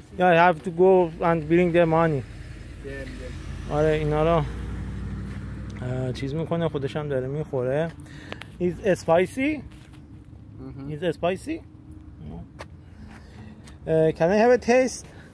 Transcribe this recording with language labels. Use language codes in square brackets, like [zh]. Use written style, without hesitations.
[en] yeah, I have to go and bring the money. Yeah. [fa] آره اینا رو چیز میکنه، خودش هم داره میخوره. [en] Is spicy? Is spicy? Can I have a taste?